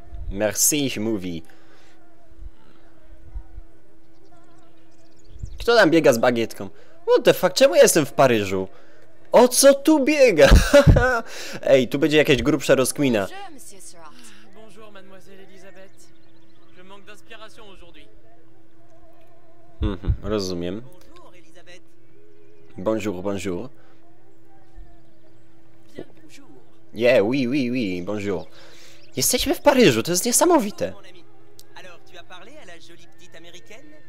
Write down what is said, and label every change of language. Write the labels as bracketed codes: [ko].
[pl] Merci, mówi. Kto tam biega z bagietką? [en] What the fuck, [pl] czemu jestem w Paryżu? O co tu biega? Ej, tu będzie jakaś grubsza rozkmina. [fr] Bonjour, mademoiselle Elizabeth. Je manque d'inspiration aujourd'hui. [pl] Rozumiem. [fr] Bonjour, Elizabeth. Bonjour, bonjour. Bien, yeah, oui, oui, oui, bonjour. [pl] Jesteśmy w Paryżu, to jest niesamowite. [fr] Alors, tu as parlé à la jolie petite américaine?